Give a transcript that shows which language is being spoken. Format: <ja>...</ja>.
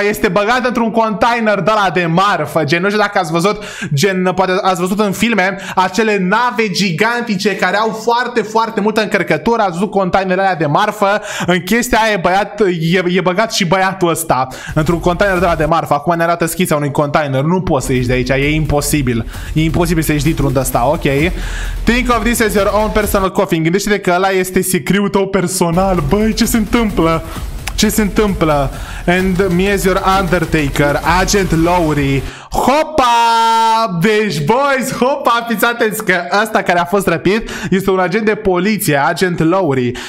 <ro>Este băgat într-un container de ăla de marfă. Gen, nu știu dacă ați văzut, gen, poate ați văzut în filme, acele nave gigantice care au foarte, foarte multă încărcătură. Ați văzut containerele alea de marfă. În chestia aia e băgat și băiatul ăsta într-un container de ăla de marfă. Acum ne arată schița unui container. Nu poți să ieși de aici, e imposibil. E imposibil să ieși dintr-un de ăsta, ok.</ro> <en>Think of this as your own personal coffin.</en> <ro>Gândește-te că ăla este sicriul tău personal. Băi, ce se întâmplă? Ce se întâmplă?</ro> <en>And me as your undertaker, agent Lowry.</en> <ro>Hopa! Deci, boys, hopa! Fiți atenți că ăsta care a fost răpit este un agent de poliție, agent Lowry.</ro>